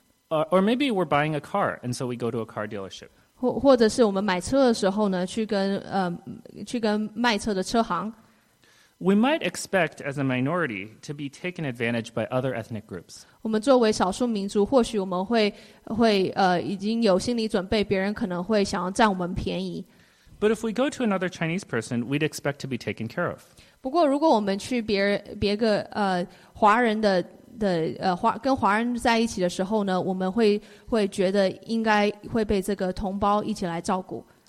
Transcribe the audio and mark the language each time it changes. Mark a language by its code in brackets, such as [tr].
[en] Or maybe we're buying a car, and so we go to a car dealership. [zh] 或者是我们买车的时候呢，去跟卖车的车行。 [en] We might expect, as a minority, to be taken advantage by other ethnic groups. [zh] 我们作为少数民族，或许我们会已经有心理准备，别人可能会想要占我们便宜。 [en] But if we go to another Chinese person, we'd expect to be taken care of. [zh] 不过，如果我们去别个华人的华跟华人在一起的时候呢，我们会觉得应该会被这个同胞一起来照顾。